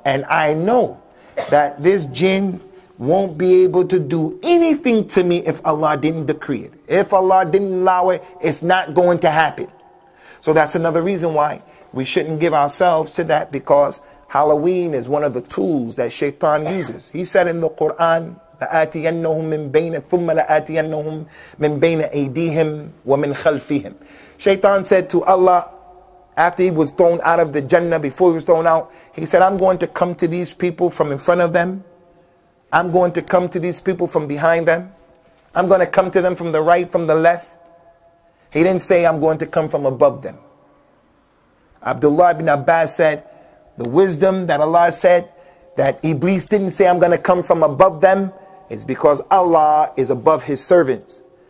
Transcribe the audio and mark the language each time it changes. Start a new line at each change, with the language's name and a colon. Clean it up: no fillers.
English: And I know that this jinn won't be able to do anything to me if Allah didn't decree it. If Allah didn't allow it, it's not going to happen. So that's another reason why we shouldn't give ourselves to that, because Halloween is one of the tools that Shaitan uses. He said in the Quran,
Arabic: لَآتِيَنَّهُمْ مِنْ بَيْنَ ثُمَّ لَآتِيَنَّهُمْ مِنْ بَيْنَ أَيْدِيهِمْ وَمِنْ خَلْفِهِمْ.
English: Shaitan said to Allah, after he was thrown out of the Jannah, before he was thrown out, he said, I'm going to come to these people from in front of them. I'm going to come to these people from behind them. I'm going to come to them from the right, from the left. He didn't say, I'm going to come from above them. Abdullah ibn Abbas said, the wisdom that Allah said, that Iblis didn't say, I'm going to come from above them, is because Allah is above his servants.